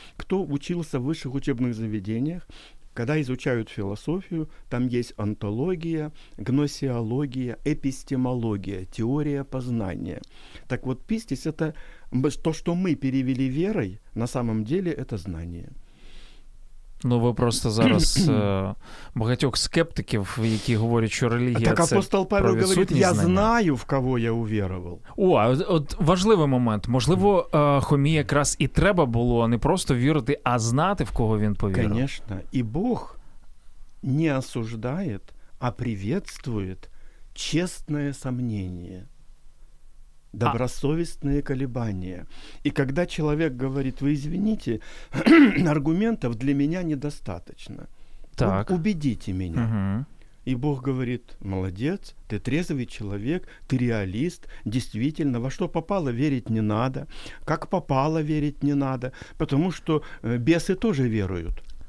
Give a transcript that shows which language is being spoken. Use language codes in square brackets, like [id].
[ru] Кто учился в высших учебных заведениях, когда изучают философию, там есть онтология, гносеология, эпистемология – теория познания. Так вот, «пистис» – это то, что мы перевели верой, на самом деле это знание. [uk] Ну, ви просто зараз багатьох скептиків, які говорять, що релігія так, це про відсутність знання. Так апостол Павел говорить, я знаю, в кого я увірував. О, от важливий момент. Можливо, Хомі якраз і треба було не просто вірити, а знати, в кого він повірив. Звісно. І Бог не осуждає, а приветствує чесне сомнення. [ru] Добросовестные колебания. И когда человек говорит, вы извините, аргументов для меня недостаточно. Так. Вот убедите меня. Угу. И Бог говорит, молодец, ты трезвый человек, ты реалист, действительно, во что попало верить не надо, как попало верить не надо, потому что бесы тоже веруют.